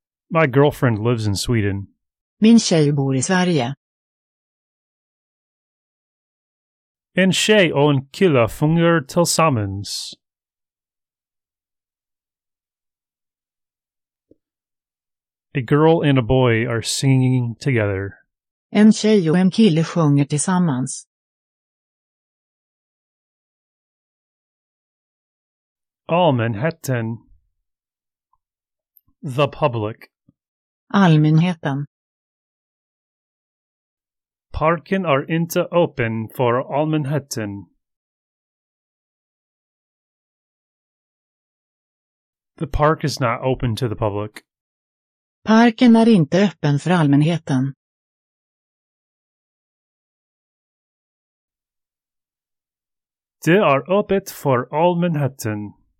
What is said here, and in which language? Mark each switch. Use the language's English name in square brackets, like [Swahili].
[English] My girlfriend lives in Sweden. [Swedish] Min tjej bor i Sverige. En tjej och en kille fungerar tillsammans. [English] A girl and a boy are singing together. [Swedish] En tjej och en kille sjunger tillsammans. Allmänheten. [English] The public. [Swedish] Allmänheten. Parken är inte öppen för allmänheten. [English] The park is not open to the public. [Swedish] Parken är inte öppen för allmänheten. Det är öppet för allmänheten.